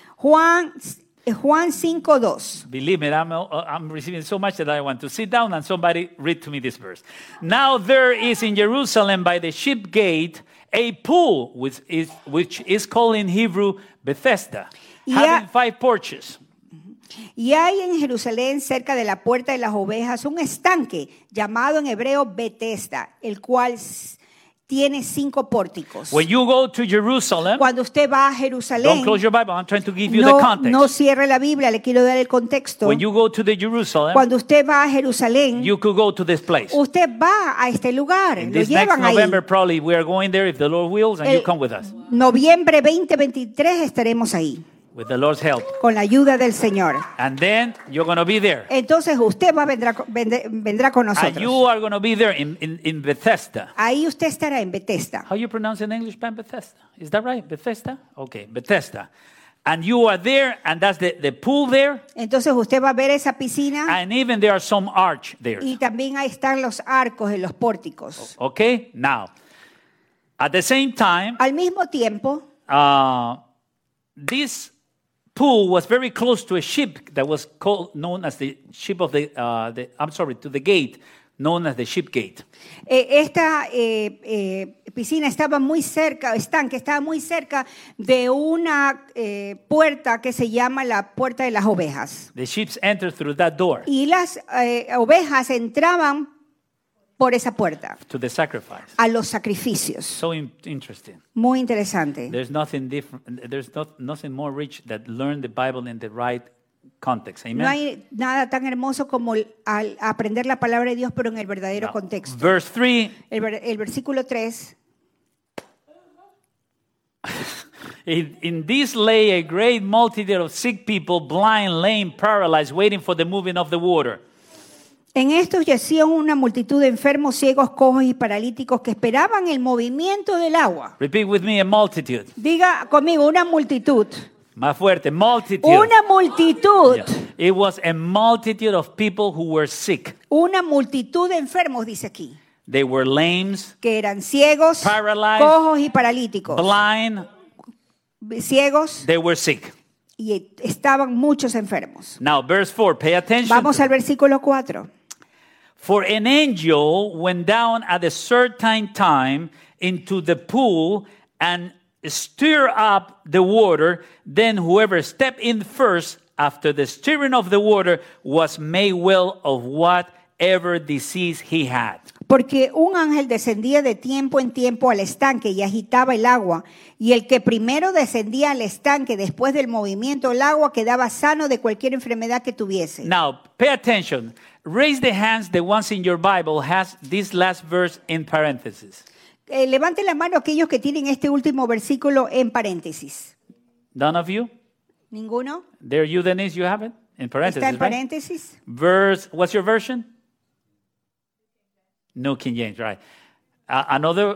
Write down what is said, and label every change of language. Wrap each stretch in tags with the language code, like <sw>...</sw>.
<es>Juan 5:2.</es> <en>Believe me, I'm receiving so much that I want to sit down and somebody read to me this verse. Now there is in Jerusalem by the Sheep Gate a pool which is called in Hebrew Bethesda, having five porches.</en> <es>Y hay en Jerusalén cerca de la puerta de las ovejas un estanque llamado en hebreo Bethesda, el cual tiene cinco pórticos.</es> <en>When you go to Jerusalem,</en> <es>cuando usted va a Jerusalén,</es> <en>don't close your Bible. I'm trying to give you</en> <es>no,</es> <en>the context.</en> <es>No cierre la Biblia, le quiero dar el contexto.</es> <en>When you go to the Jerusalem,</en> <es>cuando usted va a Jerusalén,</es> <en>you could go to this place.</en> <es>Usted va a este lugar,</es> <en>In</en> <es>lo</es> <en>this</en> <es>llevan</es> <en>next</en> <es>ahí.</es> <en>November, probably we are going there if the Lord wills, and you come with us.</en> <es>Noviembre 2023 estaremos ahí.</es> <en>With the Lord's help.</en> <es>Con la ayuda del Señor.</es> <en>And then you're going to be there.</en> <es>Entonces usted vendrá con nosotros.</es> <en>And you are going to be there in Bethesda.</en> <es>Ahí usted estará en Bethesda.</es> <en>How you pronounce in English, Ben? Bethesda? Is that right? Bethesda? Okay, Bethesda. And you are there, and that's the pool there.</en> <es>Entonces usted va a ver esa piscina.</es> <en>And even there are some arch there.</en> <es>Y también ahí están los arcos en los pórticos.</es> <en>Okay, now. At the same time.</en> <es>Al mismo tiempo.</es> <en>This pool was very close to a ship that was called, known as the ship of the I'm sorry, to the gate, known as the Sheep Gate.</en> <es>Esta piscina estaba muy cerca, estanque estaba muy cerca de una puerta que se llama la puerta de las ovejas.</es> <en>The sheep entered through that door.</en> <es>Y las ovejas entraban por esa puerta.</es> <en>To the sacrifice.</en> <es>A los sacrificios.</es> <en>So interesting.</en> <es>Muy interesante.</es> <en>There's nothing different. There's nothing more rich that learn the Bible in the right context. Amen.</en> <es>No hay nada tan hermoso como al aprender la palabra de Dios, pero en el verdadero no. contexto.</es> <en>Verse 3.</en> <es>El versículo 3.</es> <en>In this lay a great multitude of sick people, blind, lame, paralyzed, waiting for the moving of the water.</en> <es>En estos yacían una multitud de enfermos, ciegos, cojos y paralíticos que esperaban el movimiento del agua.</es> <en>Repeat with me, a multitude.</en> <es>Diga conmigo, una multitud. Más fuerte, multitude. Una multitud.</es> <en>Yeah. It was a multitude of people who were sick.</en> <es>Una multitud de enfermos, dice aquí.</es> <en>They were lames.</en> <es>Que eran ciegos,</es> <en>paralyzed,</en> <es>cojos y paralíticos.</es> <en>Blind.</en> <es>Ciegos.</es> <en>They were sick.</en> <es>Y estaban muchos enfermos.</es> <en>Now, verse 4, pay attention.</en> <es>Vamos al versículo 4.</es> <en>For an angel went down at a certain time into the pool and stirred up the water. Then whoever stepped in first after the stirring of the water was made well of whatever disease he had.</en> <es>Porque un ángel descendía de tiempo en tiempo al estanque y agitaba el agua, y el que primero descendía al estanque después del movimiento del agua quedaba sano de cualquier enfermedad que tuviese.</es> <en>Now, pay attention. Raise the hands, the ones in your Bible has this last verse in parentheses.</en> <es>Levante la mano aquellos que tienen este último versículo en paréntesis.</es> <en>None of you?</en> <es>Ninguno?</es> <en>There you, Denise, you have it? In parentheses,</en> <es>¿está en paréntesis?</es> <en>Right? Verse, what's your version? No, King James, right. Another</en>